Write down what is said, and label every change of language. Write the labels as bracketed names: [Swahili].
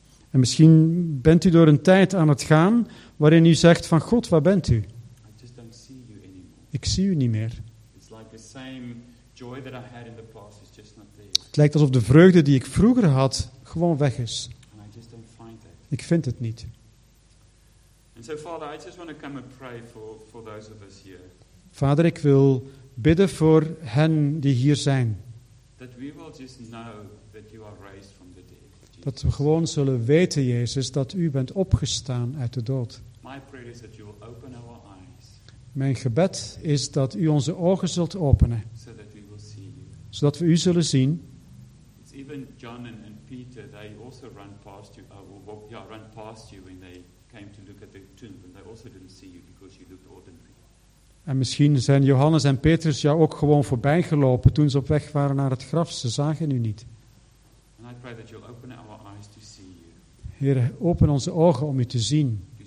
[Dutch] En misschien bent u door een tijd aan het gaan waarin u zegt van God, waar bent u? [English] I just don't see you anymore. [Dutch] Ik zie u niet meer. [English] It's like the same joy that I had in the past is just not there. [Dutch] Het lijkt alsof de vreugde die ik vroeger had gewoon weg is. [English] And I just don't find that. [Dutch] Ik vind het niet. [English] And so Father, I just want to come and pray for those of us here. [Dutch] Vader, ik wil bidden voor hen die hier zijn. [English] That we will just know that you are raised from the dead. [Dutch] Dat we gewoon zullen weten, Jezus, dat u bent opgestaan uit de dood. [English] My prayer is that you will open our eyes. [Dutch] Mijn gebed is dat u onze ogen zult openen. [English] So that we will see you. [Dutch] Zodat we u zullen zien. [English] It's even John and Peter, they also run past you. Run past you when they came to look at the tomb, and they also didn't see you because you looked ordinary. [Dutch] En misschien zijn Johannes en Petrus jou ook gewoon voorbij gelopen toen ze op weg waren naar het graf. Ze zagen u niet. [English] And I pray that you'll open our eyes to see you. [Dutch] Heer, open onze ogen om u te zien.